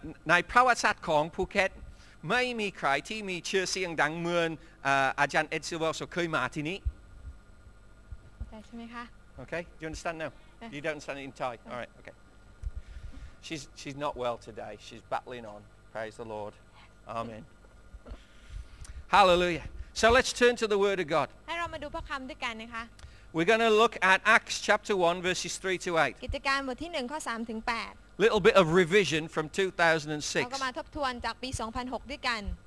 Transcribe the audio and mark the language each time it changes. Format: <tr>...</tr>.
<th>ในประวัติศาสตร์ของภูเก็ตไม่มีใครที่มีชื่อเสียงดังเหมือนอาจารย์เอ็ดซิลโวโซเคยมาที่นี่</th> <en>Okay,</en> <th>ใช่ไหมคะ</th> <en>Okay. Do you understand now? You don't understand it in Thai. All right. Okay. She's not well today. She's battling on. Praise the Lord. Amen. Hallelujah. So let's turn to the Word of God.</en> <th>ให้เรามาดูพระคำด้วยกันนะคะ</th> <en>We're going to look at Acts chapter 1 verses 3 to 8.</en> <th>กิจการบทที่1ข้อ3ถึง8.</th> <en>Little bit of revision from 2006.</en> <th>เราก็มาทบทวนจากปี2006ด้วยกัน</th>